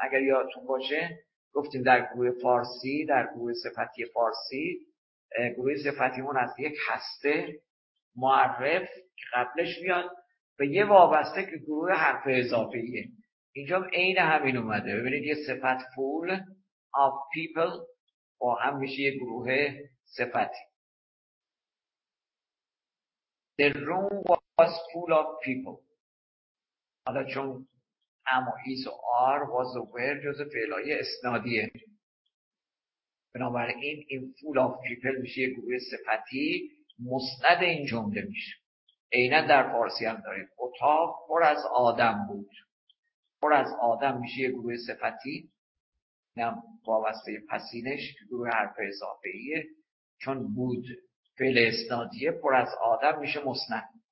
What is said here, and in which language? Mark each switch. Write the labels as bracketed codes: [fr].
[fa] اگر یادتون باشه گفتیم در گروه فارسی، در گروه صفتی فارسی، گروه صفتیمون از یک هسته معرف که قبلش میاد به یه وابسته که گروه حرف اضافه‌ایه. اینجا هم این همین اومده. ببینید یه صفت [en] full of people [fa] با هم میشه یه گروه صفتی. [en] The room was full of people. [fa] حالا چون am و is و are was و were جز فعلای اسنادیه، بنابراین این [en] full of people [fa] میشه یه گروه صفتی مسند این جمله میشه. عیناً در فارسی هم داریم اتاق پر از آدم بود، پر از آدم میشه یه گروه صفتی، نم وابسته پسینش گروه حرف اضافه‌ایه، چون بود فعل اسنادیه، پر از آدم میشه مسند.